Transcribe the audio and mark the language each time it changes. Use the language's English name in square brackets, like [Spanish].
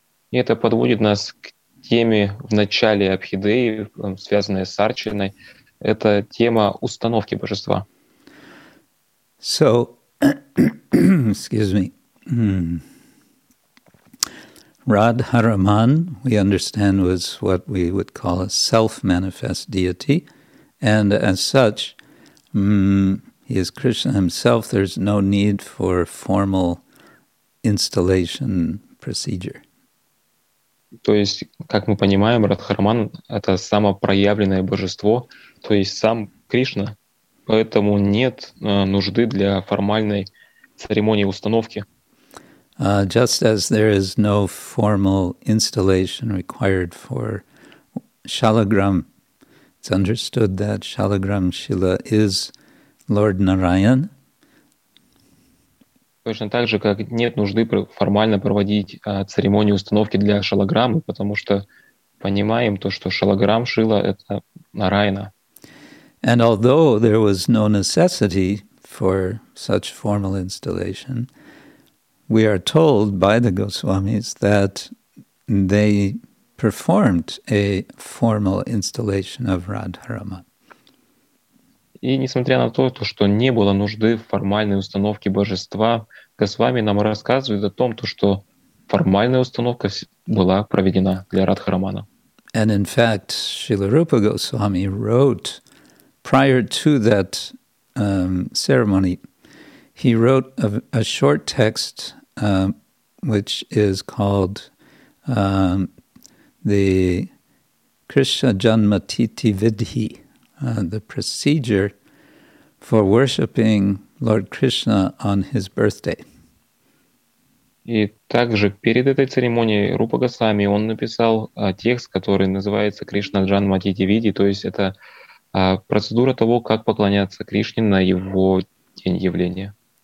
[Russian] И это подводит нас к теме в начале Абхидеи, связанной с Арчаной. Это тема установки божества. [English] So, excuse me. Radharaman, we understand, was what we would call a self-manifest deity. And as such, he is Krishna himself. There's no need for formal installation procedure. [Russian] То есть, как мы понимаем, Радхараман — это самопроявленное божество, то есть сам Кришна. Поэтому нет нужды для формальной церемонии установки. [English] Just as there is no formal installation required for Shalagram, it's understood that Shalagram Shila is Lord Narayan. [Russian] Точно так же, как нет нужды формально проводить церемонию установки для Шалаграмы, потому что понимаем то, что Шалаграм Шила — это Нарайана. [English] And although there was no necessity for such formal installation, we are told by the Goswamis that they performed a formal installation of Radharama. [Russian] И несмотря на то, что не было нужды в формальной установке божества, Госвами нам рассказывает о том, что формальная установка была проведена для Радхарамана. [English] And in fact, Srila Rupa Goswami wrote prior to that ceremony, he wrote a short text which is called the Krishna Janma Titi Vidhi, the procedure for worshiping Lord Krishna on his birthday. [Russian] И также перед этой церемонией Рупа Госвами он написал текст, который называется Krishna Janma Titi Vidhi, то есть это процедура того, как поклоняться Кришне на его день явления.